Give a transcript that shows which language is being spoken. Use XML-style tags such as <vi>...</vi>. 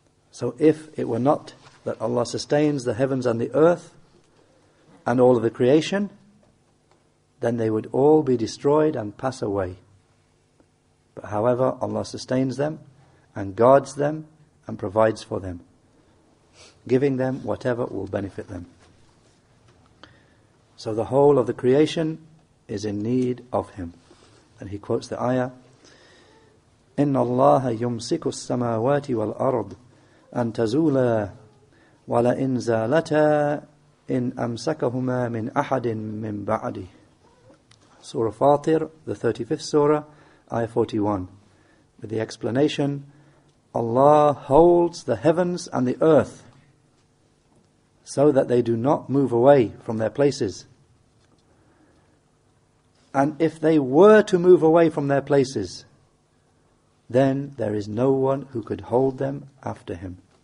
<en>So if it were not that Allah sustains the heavens and the earth and all of the creation, then they would all be destroyed and pass away. But however, Allah sustains them and guards them and provides for them, giving them whatever will benefit them. So the whole of the creation is in need of him. And he quotes the ayah,</en> <ar>إِنَّ اللَّهَ يُمْسِكُ السَّمَاوَاتِ وَالْأَرْضِ أَنْ تَزُولَا وَلَئِنْ زَالَتَا إِنْ أَمْسَكَهُمَا مِنْ أَحَدٍ مِنْ بَعْدِ.</ar> <en>Surah Fatir, the 35th surah, ayah 41. With the explanation, Allah holds the heavens and the earth so that they do not move away from their places. And if they were to move away from their places, then there is no one who could hold them after him.</en>